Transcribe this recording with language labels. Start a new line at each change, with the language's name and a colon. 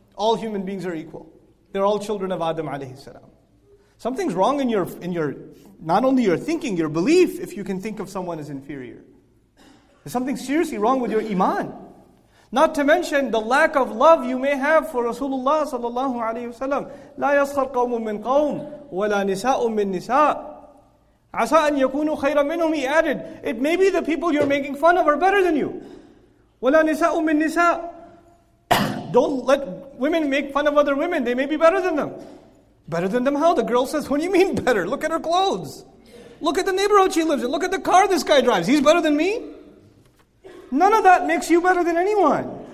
English: All human beings are equal. They're all children of Adam alayhi salam. Something's wrong in your not only your thinking, your belief, if you can think of someone as inferior. There's something seriously wrong with your iman. Not to mention the lack of love you may have for Rasulullah sallallahu alayhi wasallam.
Arabic: لا يسخر قوم من قوم ولا نساء من نساء عسى أن يكونوا خيرا منهم.
English: He added, it may be the people you're making fun of are better than you.
Arabic: ولا نساء من نساء.
English: Don't let women make fun of other women, they may be better than them. Better than them how? The girl says, what do you mean better? Look at her clothes. Look at the neighborhood she lives in. Look at the car this guy drives. He's better than me? None of that makes you better than anyone.